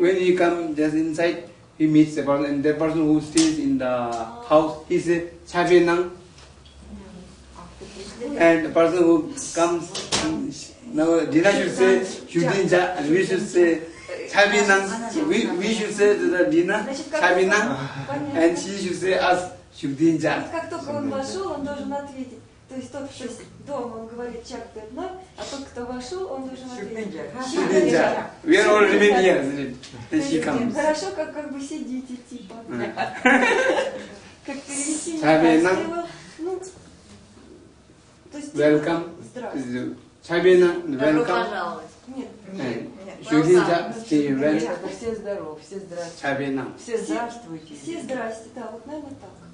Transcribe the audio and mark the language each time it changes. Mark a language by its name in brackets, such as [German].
[English] When he comes just inside, he meets the person, and the person who stays in the house, he says, Chabe Nang. And the person who comes, now Dina should say, Shukdinja, and we should say, Chabe Nang. We should say to the Dina, Chabe Nang, and she should say us. [Tibetan] Шукдинджа. [Russian] Как только он вошел, он должен ответить. То есть тот, кто дома, он говорит Чак Пятна, а тот, кто вошел, он должен ответить. [Tibetan] Шукдинджа. [English] We are all remaining here, isn't it? [Russian] Хорошо, как бы сидите, типа. Как перевести на Welcome. [English] Чабина, welcome. [Russian] Добро пожаловать. Нет. [English] Шукдинджа, stay well. [Russian] Все здоровы, все здравствуйте. [Tibetan] Чабина. [Russian] Все здравствуйте. Все здрасте, да, вот наверное так.